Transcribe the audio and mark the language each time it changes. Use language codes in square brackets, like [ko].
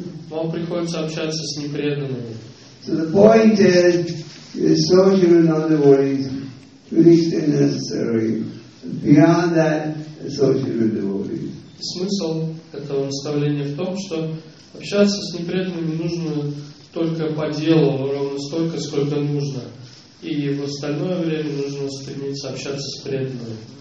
[ru] Вам приходится общаться с непреданными. [en] So the point is, you associate with non-devotees to the extent necessary. Beyond that, associate with devotees. [ru] Смысл этого наставления в том, что общаться с непреданными нужно только по делу, ровно столько, сколько нужно. И в остальное время нужно стремиться общаться с преданными.